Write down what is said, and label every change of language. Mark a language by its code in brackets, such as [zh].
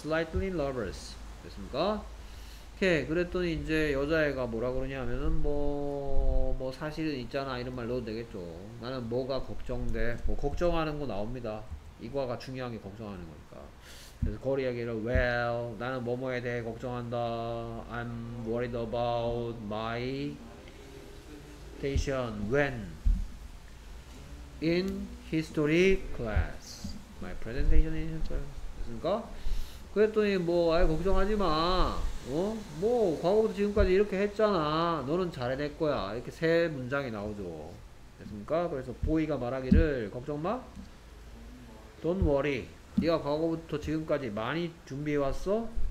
[en] Slightly nervous. [ko] 됐습니까? 오케이. 그랬더니 이제 여자애가 뭐라 그러냐면은 뭐 사실은 있잖아 이런 말 넣어도 되겠죠. 나는 뭐가 걱정돼. 뭐 걱정하는 거 나옵니다. 이과가 중요한 게 걱정하는 거니까. 그래서 거리 얘기를 well 나는 뭐뭐에 대해 걱정한다. [en] I'm worried about my station when in history class my presentation in history class. [ko] 됐습니까? 그랬더니 뭐 아예 걱정하지마. 어? 뭐 과거부터 지금까지 이렇게 했잖아. 너는 잘해낼 거야. 이렇게 세 문장이 나오죠. 됐습니까? 그래서 보이가 말하기를 걱정마? [en] Don't worry. [ko] 네가 과거부터 지금까지 많이 준비해왔어?